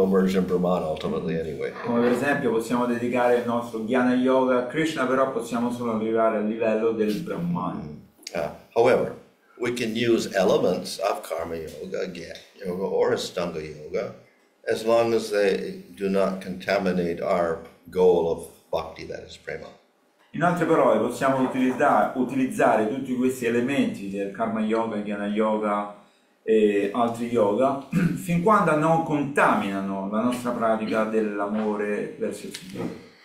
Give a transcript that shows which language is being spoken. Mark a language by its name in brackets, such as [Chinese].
[English] We'll merge in Brahman ultimately, anyway. [Italian] Come per esempio, possiamo dedicare il nostro jnana yoga a Krishna, però possiamo solo arrivare al livello del Brahman. [English] However, we can use elements of karma yoga, jnana yoga, or astanga yoga, as long as they do not contaminate our goal of bhakti, that is prema. [Italian] In altre parole, possiamo utilizzare tutti questi elementi del karma yoga, jnana yoga e altri yoga fin quando non contaminano la nostra pratica dell'amore verso il Signore.